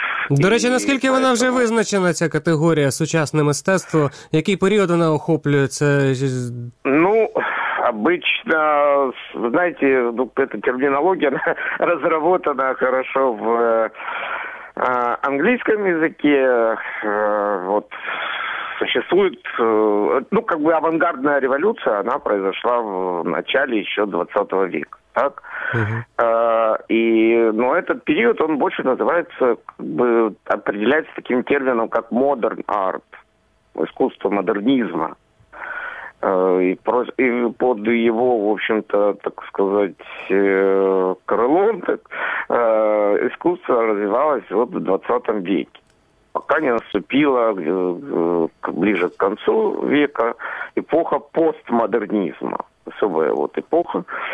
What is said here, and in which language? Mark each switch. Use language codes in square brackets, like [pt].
[uk] До речі, наскільки вона вже визначена, ця категорія, сучасне мистецтво? Який період вона охоплює? [ru] Ну, обычно, знаете, эта терминология разработана хорошо в английском языке. Вот. Существует, авангардная революция, она произошла в начале еще 20 века, так? Этот период, он больше называется, определяется таким термином, как modern art, искусство модернизма. И под его, в общем-то, так сказать, крылом искусство развивалось вот в 20 веке. Пока не наступила ближе к концу века эпоха постмодернизма, особая вот эпоха.